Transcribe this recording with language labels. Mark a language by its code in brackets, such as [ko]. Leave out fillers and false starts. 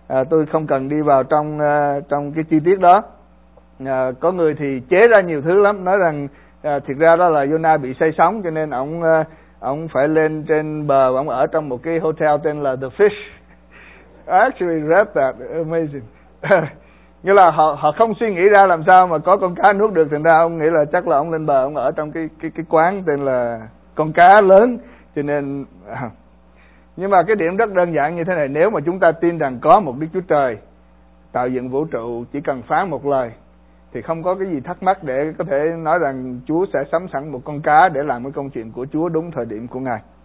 [vi] Tôi không cần đi vào trong cái chi tiết đó. Có người thì chế ra nhiều thứ lắm, nói rằng thiệt ra đó là Jonah bị say sóng, cho nên ông phải lên trên bờ và ông ở trong một cái hotel tên là The Fish. [en] I actually read that, amazing. [vi] Nghĩa là họ không suy nghĩ ra làm sao mà có con cá nuốt được, thành ra ông nghĩ là chắc là ông lên bờ, ông ở trong cái quán tên là con cá lớn, cho nên nhưng mà cái điểm rất đơn giản như thế này: nếu mà chúng ta tin rằng có một Đức Chúa Trời tạo dựng vũ trụ, chỉ cần phán một lời thì không có cái gì thắc mắc để có thể nói rằng Chúa sẽ sắm sẵn một con cá để làm cái công chuyện của Chúa đúng thời điểm của Ngài.